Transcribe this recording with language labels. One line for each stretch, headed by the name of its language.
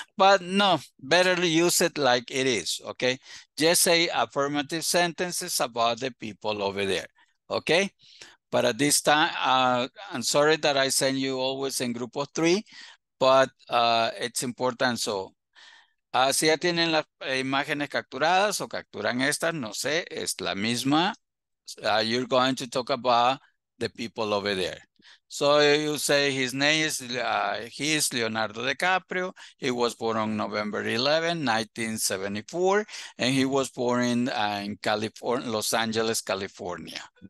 English: But no, better use it like it is, okay? Just say affirmative sentences about the people over there, okay? But at this time, I'm sorry that I send you always in group of three, but it's important.
Spanish: So, si ya tienen las imágenes capturadas o capturan estas, no sé, es la misma.
English: You're going to talk about the people over there. So you say his name is, he is Leonardo DiCaprio. He was born on November 11, 1974. And he was born in California, Los Angeles, California.